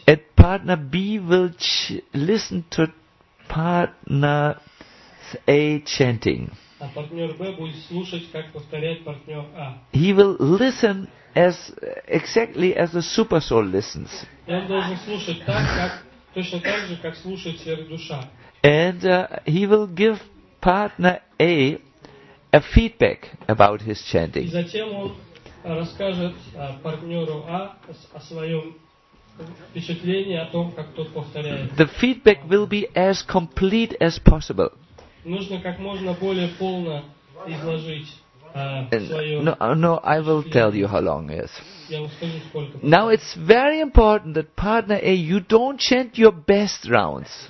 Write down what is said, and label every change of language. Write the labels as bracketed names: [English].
[English] And partner B will listen to partner A chanting. [Russian] А партнер Б будет слушать, как повторяет партнер А. [English] He will listen as exactly as a super soul listens. [Russian] И он должен слушать так, как точно так же, как слушает сверх душа. [English] And he will give partner A a feedback about his chanting. [Russian] И затем он расскажет партнеру А о своем впечатлении о том, как тот повторяет. [English] The feedback will be as complete as possible. [Russian] Нужно как можно более полно изложить [English] No, I will tell you how long it is. Now it's very important that partner A, you don't chant your best rounds.